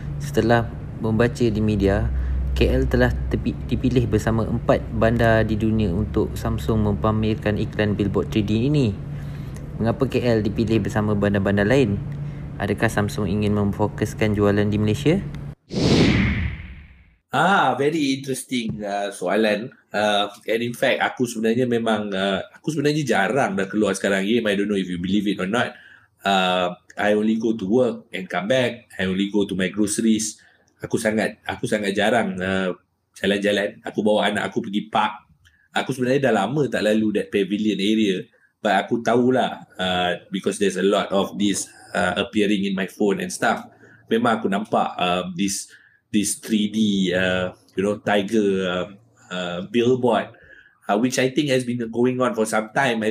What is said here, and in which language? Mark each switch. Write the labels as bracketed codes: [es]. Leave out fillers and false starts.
[ms] Setelah membaca di media, KL telah dipilih bersama 4 bandar di dunia untuk Samsung mempamerkan iklan billboard 3D ini. Mengapa KL dipilih bersama bandar-bandar lain? Adakah Samsung ingin memfokuskan jualan di Malaysia? [en] Very interesting [ms] soalan. [en] And in fact, [ms] aku sebenarnya memang aku sebenarnya jarang dah keluar sekarang. [en] I don't know if you believe it or not. I only go to work and come back. I only go to my groceries. [ms] Aku sangat jarang jalan-jalan. Aku bawa anak aku pergi park. Aku sebenarnya dah lama tak lalu [en] that pavilion area. But [ms] aku tahulah [en] because there's a lot of this appearing in my phone and stuff. [ms] Memang aku nampak [en] this 3D tiger billboard which I think has been going on for some time.